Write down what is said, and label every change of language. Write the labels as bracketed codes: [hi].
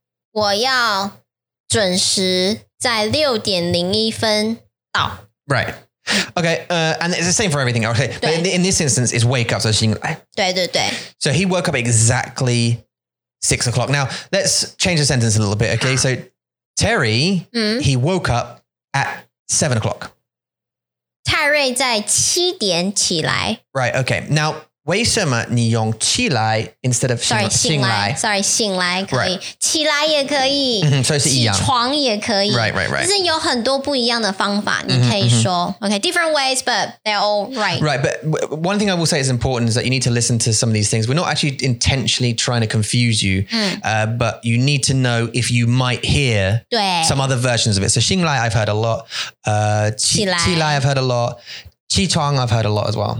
[zh] 我要准时在六点零一分到 [en] Right OK and it's the same for everything OK But in this instance is wake up [zh] 醒来对对对 [en] So he woke up exactly 6 o'clock. Now, let's change the sentence a little bit, okay? So, Terry, he woke up at 7 o'clock. [zh] 泰瑞在七点起来。 [en] Right, okay. Now, [zh] 为什么你用起来 [en] instead of [zh] 醒来 [en] Sorry, [zh] 醒来可以。 [en] Right. [zh] 起来也可以。所以是一样。起床也可以。 [en] Right, right, right. [zh] 就是有很多不一样的方法你可以说。 [en] Okay, different ways, but they're all right. Right, but one thing I will say is important is that you need to listen to some of these things. We're not actually intentionally trying to confuse you, but you need to know if you might hear some other versions of it. So 醒来 I've heard a lot. [zh] 起来。 [en] 起来 I've heard a lot. 起床 I've heard a lot as well.